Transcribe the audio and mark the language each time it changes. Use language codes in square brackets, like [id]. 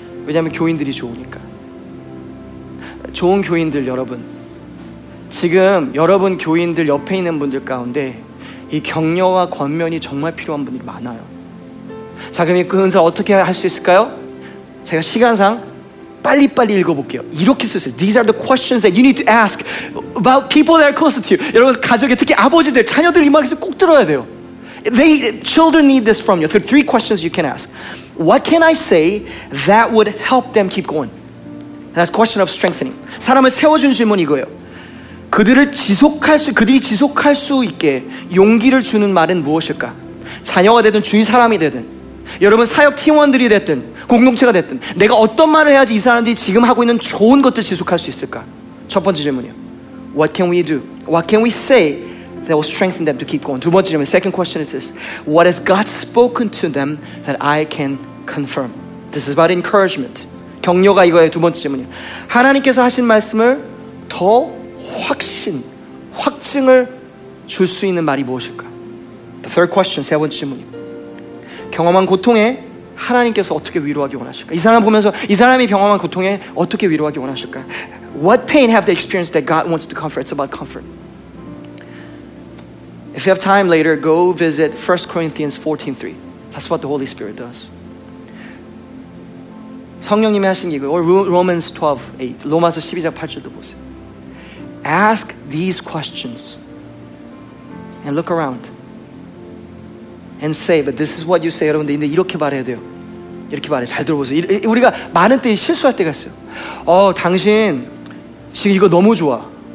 [ko] 왜냐하면 교인들이 좋으니까. 좋은 교인들 여러분 지금 여러분 교인들 옆에 있는 분들 가운데 이 격려와 권면이 정말 필요한 분들이 많아요. 자 그럼 그 은사 어떻게 할 수 있을까요? 제가 시간상 빨리빨리 읽어볼게요. 이렇게 쓰세요. [en] These are the questions that you need to ask about people that are close to you. [ko] 여러분 가족에 특히 아버지들, 자녀들 이 말씀 꼭 들어야 돼요. [en] They, children need this from you. There are three questions you can ask. What can I say that would help them keep going? And that's question of strengthening. [ko] 사람을 세워주는 질문 이거예요. 그들이 지속할 수 있게 용기를 주는 말은 무엇일까? 자녀가 되든 주위 사람이 되든 여러분 사역 팀원들이 됐든 공동체가 됐든 내가 어떤 말을 해야지 이 사람들이 지금 하고 있는 좋은 것들 지속할 수 있을까? 첫 번째 질문이요. [en] What can we do? What can we say that will strengthen them to keep going. [ko] 두 번째 질문, [en] second question is this. What has God spoken to them that I can confirm? This is about encouragement. [ko] 격려가 이거예요, 두 번째 질문이요. 하나님께서 하신 말씀을 더 확신, 확증을 줄 수 있는 말이 무엇일까? [en] The third question, [ko] 세 번째 질문이요. 경험한 고통에 하나님께서 어떻게 위로하기 원하실까? 이 사람 보면서 이 사람이 경험한 고통에 어떻게 위로하기 원하실까? [en] What pain have they experienced that God wants to comfort? It's about comfort. If you have time later, go visit 1 Corinthians 14:3. That's what the Holy Spirit does. [ko] 성령님이 하신 게 이거. [en] Or Romans 12:8. [ko] 로마서 12장 8절도 보세요. [en] Ask these questions and look around and say, but this is what you say, [ko] 여러분들. 근데 이렇게 말해야 돼요. 이렇게 말해. 잘 들어보세요. 우리가 많은 때 실수할 때가 있어요. 당신 지금 이거 너무 좋아.